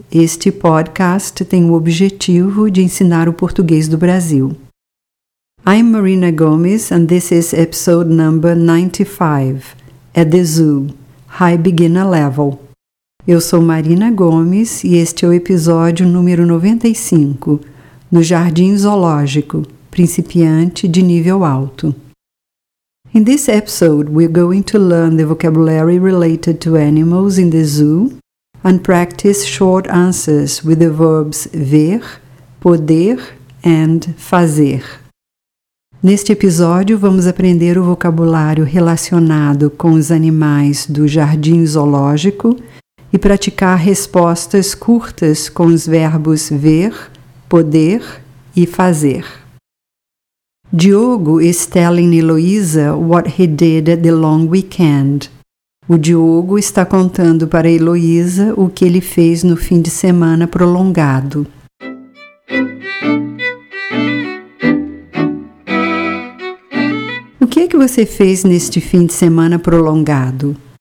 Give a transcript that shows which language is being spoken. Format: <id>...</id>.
<pt>Este podcast tem o objetivo de ensinar o português do Brasil.</pt> <en>I'm Marina Gomes and this is episode number 95, at the zoo, high beginner level.</en> <pt>Eu sou Marina Gomes e este é o episódio número 95, no Jardim Zoológico. Principiante de nível alto.</pt> <en>In this episode, we're going to learn the vocabulary related to animals in the zoo and practice short answers with the verbs ver, poder and fazer.</en> <pt>Neste episódio, vamos aprender o vocabulário relacionado com os animais do jardim zoológico e praticar respostas curtas com os verbos ver, poder e fazer.</pt> <en>Diogo is telling Heloísa what he did at the long weekend.</en> <pt>O Diogo está contando para Heloísa o que ele fez no fim de semana prolongado. O que é que você fez neste fim de semana prolongado?</pt>